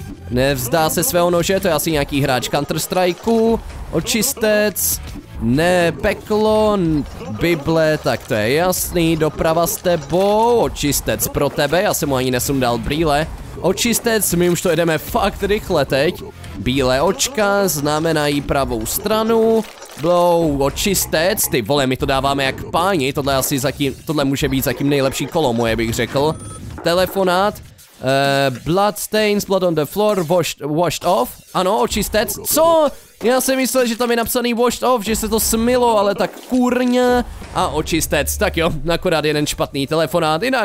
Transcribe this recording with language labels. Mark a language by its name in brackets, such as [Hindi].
[Czech] nevzdá se svého nože, to je asi nějaký hráč Counter-Strike, očistec, ne, peklo, Bible, tak to je jasný, doprava s tebou, očistec pro tebe, já jsem mu ani nesundal brýle, očistec, my už to jedeme fakt rychle teď, bílé očka, znamenají pravou stranu, blow, očistec, ty vole, my to dáváme jak páni, tohle může být zatím nejlepší kolo moje, bych řekl. Telefonát, [English] Bloodstains, blood on the floor, washed off. [Czech] Ano, očistec. Co? Já jsem myslel, že tam je napsaný [English] washed off, [Czech] že se to smilo, ale ta kurňa. A očistec. Tak jo, akorát jeden špatný telefonát.